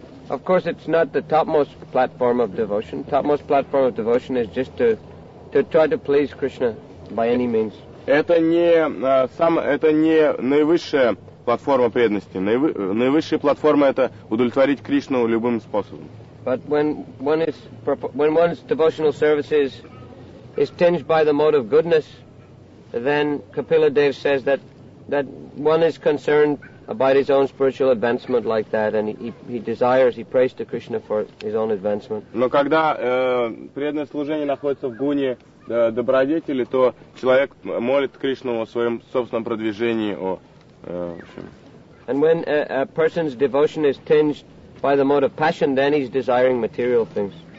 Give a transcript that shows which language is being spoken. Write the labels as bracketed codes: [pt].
[en] Of course, it's not the topmost platform of devotion. Topmost platform of devotion is just to try to please Krishna by any means. [ru] Это не это не наивысшая платформа преданности. Наивысшая платформа — это удовлетворить Кришну любым способом. [en] But when one's devotional service is tinged by the mode of goodness, then Kapila Dev says that one is concerned about his own spiritual advancement like that, and he prays to Krishna for his own advancement. [ru] Но когда преданное служение находится в гуне добродетели, то человек молит Кришну о своем собственном продвижении, о общем. [en] And when a person's devotion is tinged by the mode of passion, then he's desiring material things.